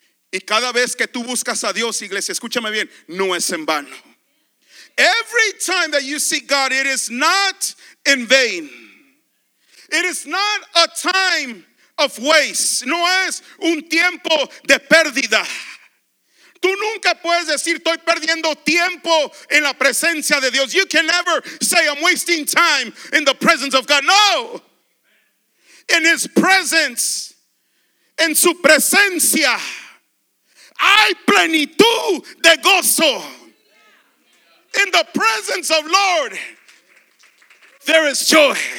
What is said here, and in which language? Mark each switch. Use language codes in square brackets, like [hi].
[es] Y cada vez que tú buscas a Dios, iglesia, escúchame bien, no es en vano. [en] Every time that you seek God, it is not in vain. It is not a time of waste. [es] No es un tiempo de pérdida. Tú nunca puedes decir, estoy perdiendo tiempo en la presencia de Dios. [en] You can never say, I'm wasting time in the presence of God. No. In His presence, [es] en su presencia, hay plenitud de gozo. [en] In the presence of Lord, there is joy.